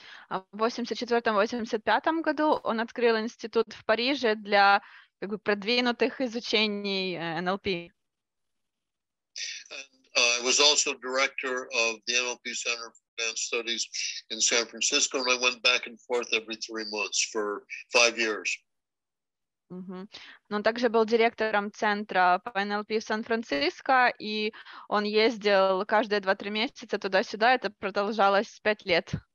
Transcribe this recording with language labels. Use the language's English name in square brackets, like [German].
[Russian] А в 84-85 году он открыл институт в Париже для как бы продвинутых изучений NLP. [English] And, I was also director of the NLP Center for Advanced Studies in San Francisco, and I went back and forth every 3 months for 5 years. [Russian] Но он также был директором центра по NLP в Сан-Франциско, и он ездил каждые 2-3 месяца туда-сюда, это продолжалось 5 лет.